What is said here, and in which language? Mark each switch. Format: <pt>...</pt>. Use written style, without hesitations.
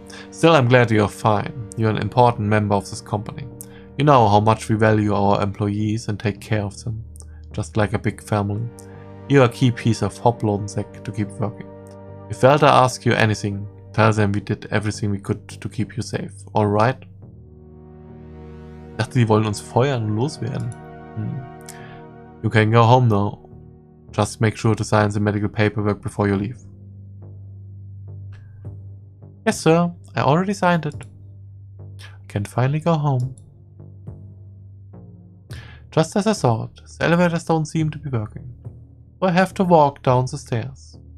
<en>Still, I'm glad you're fine. You're an important member of this company. You know how much we value our employees and take care of them, just like a big family. You're a key piece of Hoplonsec to keep working. If Velda asks you anything, tell them we did everything we could to keep you safe, alright?</en> <de>Ich dachte, die wollen uns feuern und loswerden.</de> <en>You can go home now. Just make sure to sign the medical paperwork before you leave. Yes, sir. I already signed it. I can finally go home. Just as I thought, the elevators don't seem to be working. So I have to walk down the stairs.</en>